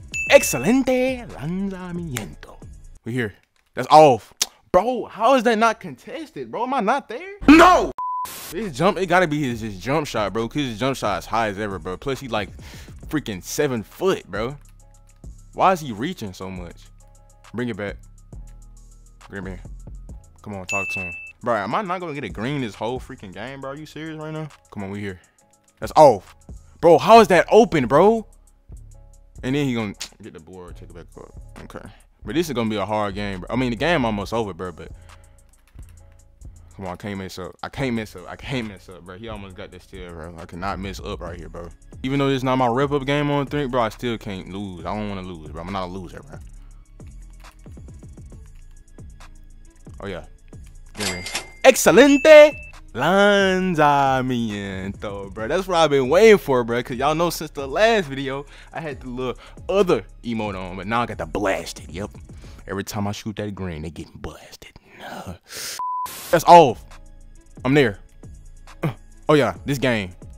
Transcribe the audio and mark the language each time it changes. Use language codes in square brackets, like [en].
[es] Excelente lanzamiento. [en] We here. That's off. Bro, how is that not contested, bro? Am I not there? No! His jump, it gotta be his jump shot, bro. Cause his jump shot is high as ever, bro. Plus, he's like freaking 7 foot, bro. Why is he reaching so much? Bring it back. Green man. Come on, talk to him. Bro, am I not gonna get a green this whole freaking game, bro? Are you serious right now? Come on, we here. That's off. Bro, how is that open, bro? And then he gonna get the board, take it back up. Okay. But this is gonna be a hard game, bro. I mean, the game almost over, bro, but. Come on, I can't mess up, bro. He almost got this still, bro. I cannot mess up right here, bro. Even though it's not my rip-up game on three, bro, I still can't lose. I don't want to lose, bro. I'm not a loser, bro. Oh, yeah. Give me. [es] Excelente lanzamiento, bro. [en] That's what I've been waiting for, bro. Because y'all know since the last video, I had the little other emote on. But now I got the blasted. Yep. Every time I shoot that green, they getting blasted. That's off. I'm there. Oh, yeah. This game.